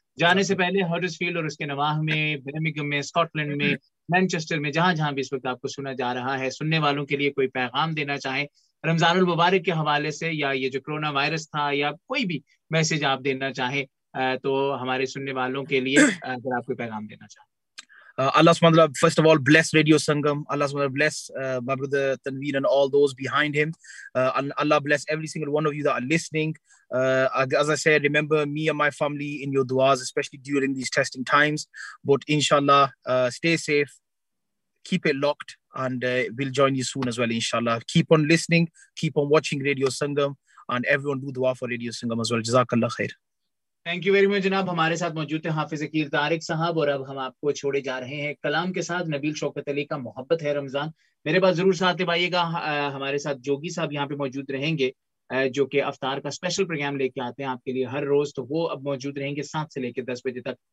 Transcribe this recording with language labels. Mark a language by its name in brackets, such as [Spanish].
[Urdu] جانے سے پہلے ہڈرسفیلڈ اور اس کے نواح میں، برمنگھم میں، اسکاٹلینڈ میں، مینچسٹر میں، جہاں جہاں بھی اس وقت آپ کو سنا جا رہا ہے، سننے والوں کے لیے کوئی پیغام دینا چاہیں رمضان المبارک کے حوالے سے، یا یہ جو کرونا وائرس تھا، یا کوئی بھی میسج آپ دینا چاہیں تو ہمارے سننے والوں کے لیے، اگر آپ کوئی پیغام دینا چاہیں. [English] Allah subhanahu wa ta'ala, first of all, bless Radio Sangam. Allah subhanahu wa ta'ala, bless my brother Tanveer and all those behind him. Allah bless every single one of you that are listening. As I said, remember me and my family in your du'as, especially during these testing times. But inshallah, stay safe, keep it locked, and we'll join you soon as well, inshallah. Keep on listening, keep on watching Radio Sangam, and everyone do du'a for Radio Sangam as well. [Arabic] Jazakallah khair. [English] Thank you very much جناب. [Urdu] ہمارے ساتھ موجود تھے حافظ عقیل طارق صاحب، اور اب ہم آپ کو چھوڑے جا رہے ہیں کلام کے ساتھ. نبیل شوکت علی کا محبت ہے رمضان میرے پاس ضرور ساتھ نبھائیے گا. ہمارے ساتھ جوگی صاحب یہاں پہ موجود رہیں گے جو کہ افطار کا اسپیشل پروگرام لے کے آتے ہیں آپ کے لیے ہر روز، تو وہ اب موجود رہیں گے 7 سے لے کے 10 بجے تک.